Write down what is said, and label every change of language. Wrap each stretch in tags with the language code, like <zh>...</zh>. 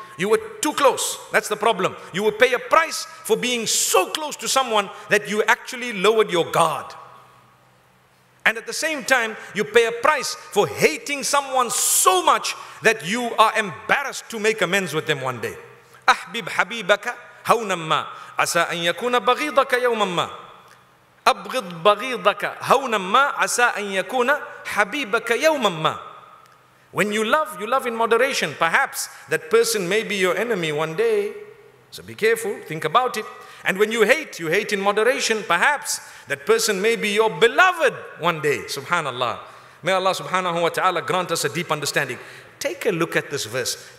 <en>You were too close. That's the problem. You will pay a price for being so close to someone that you actually lowered your guard. And at the same time, you pay a price for hating someone so much that you are embarrassed to make amends with them one day.</en> <ar>أحبب حبيبك هونما عسى أن يكون بغيضك يومما. أبغض بغيضك هونما عسى أن يكون حبيبك يومما.</ar> <en>When you love in moderation. Perhaps that person may be your enemy one day. So be careful, think about it. And when you hate in moderation. Perhaps that person may be your beloved one day. Subhanallah. May Allah subhanahu wa ta'ala grant us a deep understanding. Take a look at this verse.</en>